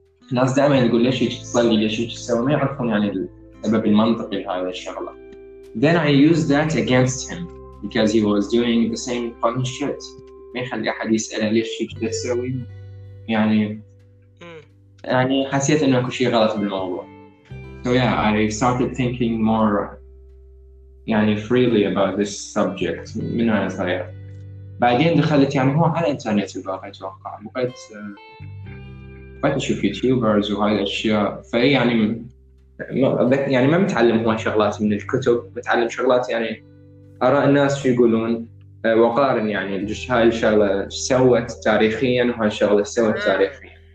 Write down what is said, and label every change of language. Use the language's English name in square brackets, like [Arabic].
[Arabic] الناس دائما يقول ليش ايش تصلي ليش ايش تسوي ما يعرفون يعني السبب المنطقي لهذه الشغلة [English] then I used that against him because he was doing the same funny shit [Arabic] ما يخلي أحد يسأله ليش ايش تسوي يعني حسيت إنه أكو شيء غلط بالموضوع. [English] So yeah, I started thinking more, يعني freely about this subject. [Arabic] من أنا صغير. بعدين دخلت يعني هو على الإنترنت بقى أتوقع. بقيت أشوف يوتيوبرز وهاي الأشياء. فأي يعني ما متعلم هو شغلات من الكتب. متعلم شغلات يعني أرى الناس شو يقولون. وقارن يعني هاي الشغلة سوت تاريخياً وهاي الشغلة سوت تاريخياً.